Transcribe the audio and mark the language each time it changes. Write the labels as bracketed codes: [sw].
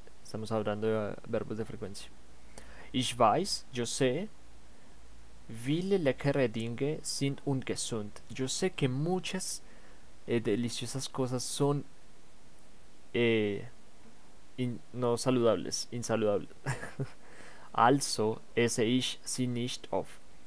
[es] Estamos hablando de verbos de frecuencia. [de] Ich weiß, [es] yo sé, [de] viele leckere Dinge sind ungesund. [es] Yo sé que muchas deliciosas cosas son insaludables. [de] Also esse ich sie nicht oft.